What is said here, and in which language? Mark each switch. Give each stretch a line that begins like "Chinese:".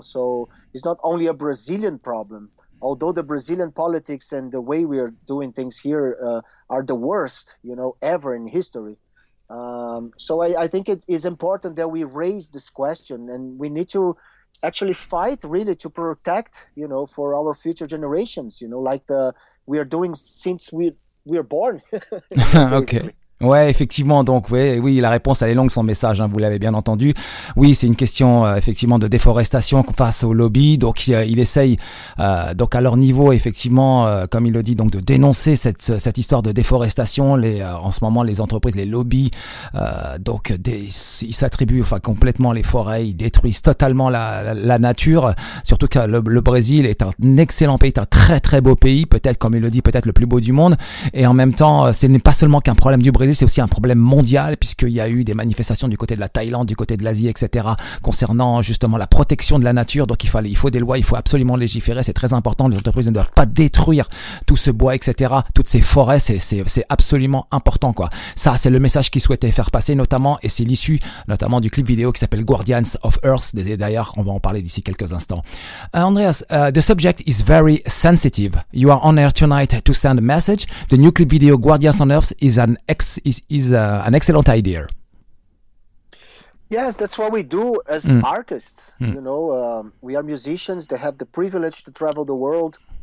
English: So it's not only a Brazilian problem. Although the Brazilian politics and the way we are doing things here are the worst, you know, ever in history. So I think it is important that we raise this question, and we need to actually fight really to protect, you know, for our future generations, you know, like the we are doing since we are born. Okay.
French: Ouais, effectivement, donc oui, la réponse elle est longue, son message, hein, vous l'avez bien entendu. Oui, c'est une question effectivement de déforestation face au lobby, donc il essaye donc à leur niveau effectivement, comme il le dit, donc de dénoncer cette histoire de déforestation. En ce moment, les entreprises, les lobbies, ils s'attribuent enfin complètement les forêts, ils détruisent totalement la nature. Surtout que le Brésil est un excellent pays, un très très beau pays, peut-être comme il le dit, peut-être le plus beau du monde. Et en même temps, ce n'est pas seulement qu'un problème du Brésil. C'est aussi un problème mondial, puisqu'il y a eu des manifestations du côté de la Thaïlande, du côté de l'Asie, etc., concernant justement la protection de la nature. Donc il faut des lois, il faut absolument légiférer, c'est très important. Les entreprises ne doivent pas détruire tout ce bois, etc., toutes ces forêts, c'est absolument important, quoi. Ça, c'est le message qu'ils souhaitaient faire passer, notamment, et c'est l'issue notamment du clip vidéo qui s'appelle Guardians of Earth. D'ailleurs, on va en parler d'ici quelques instants.
English: Andreas, the subject is very sensitive. You are on air tonight to send a message. The new clip video Guardians on Earth is an an excellent idea. Yes, that's what we do as artists. Mm. You know, we are musicians that have the privilege to travel the world.